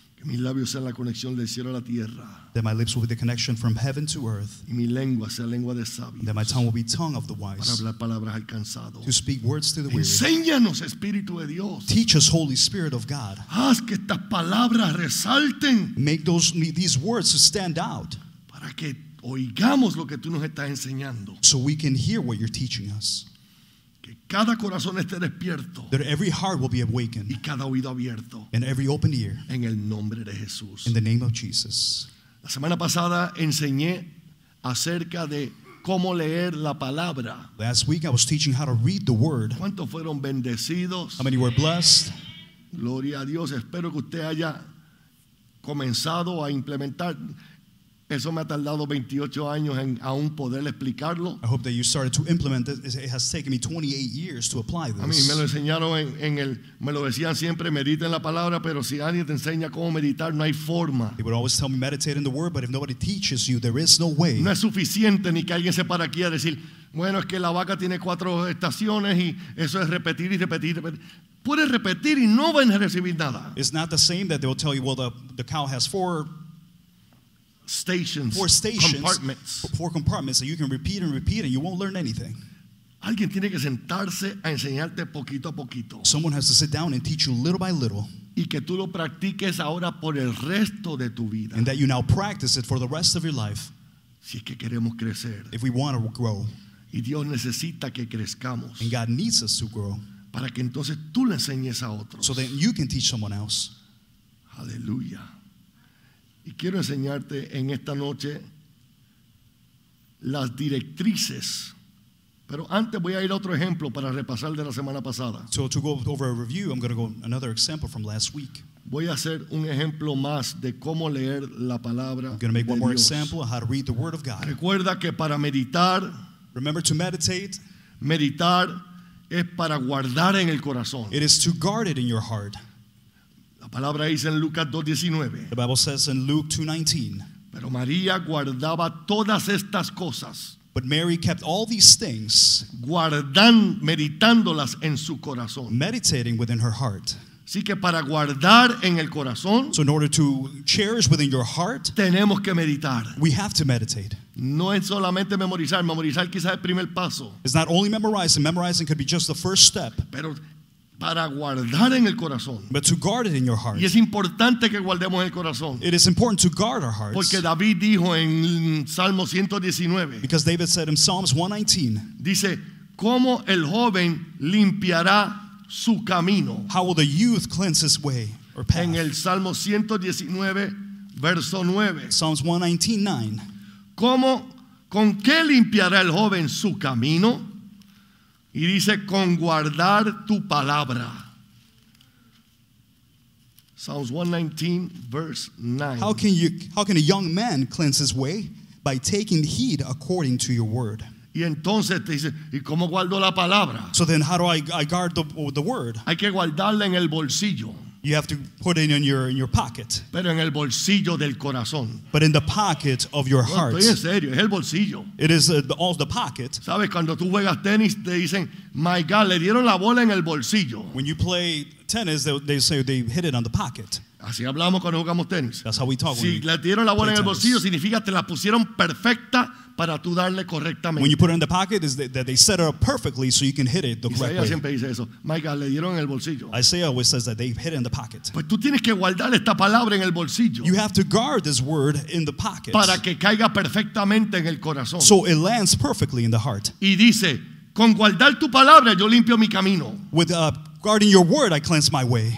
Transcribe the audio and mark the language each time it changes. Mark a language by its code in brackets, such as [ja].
[es] Que mis labios sean la conexión del cielo a la tierra. [en] That my lips will be the connection from heaven to earth. [es] Y mi lengua sea lengua de sabios. [en] That my tongue will be tongue of the wise. [es] Para hablar palabras al cansado. [en] To speak words to the weary. [es] Enséñanos, Espíritu de Dios. [en] Teach us, Holy Spirit of God. [es] Haz que estas palabras resalten. [en] Make these words to stand out. [es] Para que oigamos lo que tú nos estás enseñando. [en] So we can hear what you're teaching us. [es] Que cada corazón esté despierto. [en] That every heart will be awakened. [es] Y cada oído abierto. [en] And every open ear. [es] En el nombre de Jesús. [en] In the name of Jesus. [es] La semana pasada enseñé acerca de cómo leer la palabra. [en] Last week I was teaching how to read the word. [es] ¿Cuántos fueron bendecidos? [en] How many were blessed? [es] Gloria a Dios. Espero que usted haya comenzado a implementar. Eso me ha tardado 28 años en aún poder explicarlo. [en] I hope that you started to implement it. It has taken me 28 years to apply this. [es] A mí me lo enseñaron en el, me lo decían siempre, medita en la palabra, pero si alguien te enseña cómo meditar, no hay forma. [en] They would always tell me meditate in the word, but if nobody teaches you, there is no way. [es] No es suficiente ni que alguien se para aquí a decir, bueno, es que la vaca tiene cuatro estaciones y eso es repetir y repetir y repetir. Puedes repetir y no van a recibir nada. [en] It's not the same that they will tell you, well, the cow has four compartments that you can repeat and repeat and you won't learn anything. [es] Alguien tiene que sentarse a enseñarte poquito a poquito. [en] Someone has to sit down and teach you little by little. [es] Y que tú lo practiques ahora por el resto de tu vida. [en] And that you now practice it for the rest of your life. [es] Si es que queremos crecer. [en] If we want to grow. [es] Y Dios necesita que crezcamos. [en] And God needs us to grow. [es] Para que entonces tú le enseñes a otros. [en] So that you can teach someone else. [es] Aleluya. Y quiero enseñarte en esta noche las directrices. Pero antes voy a ir a otro ejemplo para repasar de la semana pasada. [en] So to go over a review, I'm going to go another example from last week. [es] Voy a hacer un ejemplo más de cómo leer la palabra de Dios. [en] I'm going to make one more example of how to read the word of God. [es] Recuerda que para meditar, [en] remember to meditate, [es] meditar es para guardar en el corazón. [en] It is to guard it in your heart. [es] La palabra dice en Lucas 2:19. [en] The Bible says in Luke 2:19. [es] Pero María guardaba todas estas cosas. [en] But Mary kept all these things. [es] Meditándolas en su corazón. [en] Meditating within her heart. [es] Así que para guardar en el corazón. [en] So in order to cherish within your heart. [es] Tenemos que meditar. [en] We have to meditate. [es] No es solamente memorizar. Memorizar quizás es el primer paso. [en] It's not only memorizing. Memorizing could be just the first step. [es] Pero para guardar en el corazón. [en] But to guard it in your heart. [es] Y es importante que guardemos el corazón. [en] It is important to guard our hearts. [es] Porque David dijo en Salmo 119. [en] Because David said in Psalms 119. [es] Dice, ¿cómo el joven limpiará su camino? [en] How will the youth cleanse his way or path? [es] En el Salmo 119, verso 9. [en] Psalms 119:9. [es] ¿Cómo, con qué limpiará el joven su camino? Y dice, con guardar tu palabra. [en] Psalms 119, verse 9. How can a young man cleanse his way? By taking heed according to your word. [es] Y entonces te dice, ¿y cómo guardo la palabra? [en] So then how do I guard the word? [es] Hay que guardarla en el bolsillo. [en] You have to put it in your pocket. [es] Pero en el bolsillo del corazón. [en] But in the pocket of your heart. [es] Estoy en serio, es el bolsillo. [en] It is all the pocket. [es] ¿Sabes? Cuando tú juegas tenis, te dicen, my God, le dieron la bola en el bolsillo. [en] When you play tennis, they say they hit it on the pocket. [es] Así hablamos cuando jugamos tenis. [en] That's how we talk si when we [es] le dieron la bola en el bolsillo, significa que te la pusieron perfecta para tú darle correctamente. [en] When you put it in the pocket, is that they set it up perfectly so you can hit it the correct way. [es] Isaiah siempre dice eso. My God, le dieron en el bolsillo. [en] Isaiah always says that they hit it in the pocket. [es] Pues tú tienes que guardar esta palabra en el bolsillo. [en] You have to guard this word in the pocket. [es] Para que caiga perfectamente en el corazón. [en] So it lands perfectly in the heart. [es] Y dice, con guardar tu palabra yo limpio mi camino. [en] With guarding your word, I cleanse my way.